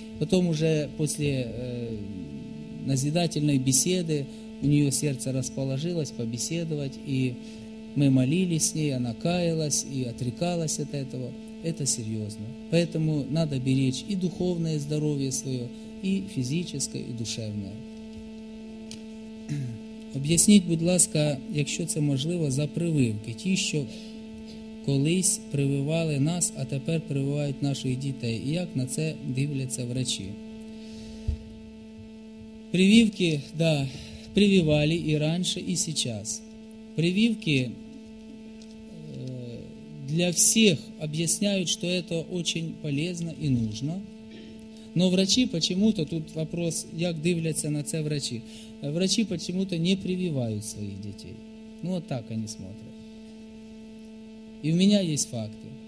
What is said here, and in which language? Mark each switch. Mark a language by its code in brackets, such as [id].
[ru] Потом уже после назидательной беседы у нее сердце расположилось побеседовать, и мы молились с ней, она каялась и отрекалась от этого. Это серьезно. Поэтому надо беречь и духовное здоровье свое, и физическое, и душевное. [uk] Объясніть, будь ласка, якщо це можливо, за прививки. Ті, що колись прививали нас, а тепер прививають наших дітей. І як на це дивляться врачі? Прививки, да, прививали і раніше, і зараз. Прививки для всіх об'ясняють, що це дуже полезно і потрібно. [ru] Но врачи почему-то, тут вопрос, [uk] как дивляться на це [ru] врачи, врачи почему-то не прививают своих детей. Вот так они смотрят. И у меня есть факты.